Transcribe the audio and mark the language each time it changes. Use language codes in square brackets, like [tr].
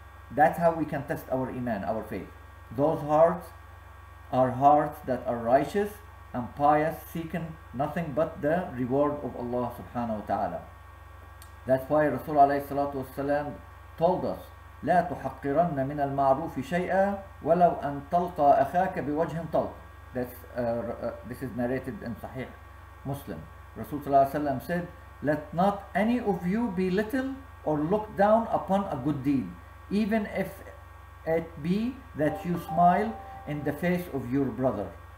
[en] That's how we can test our iman, our faith. Those hearts are hearts that are righteous and pious, seeking nothing but the reward of Allah subhanahu wa ta'ala. That's why Rasul alayhi salatu wasalam told us, [ar] لا تحقرن من المعروف شيئا ولو أن تلقى أخاك بوجه طلق. [en] This is narrated in Sahih Muslim. Rasul sallallahu alayhi wasalam said, let not any of you belittle or look down upon a good deed, even if it be that you smile in the face of your brother.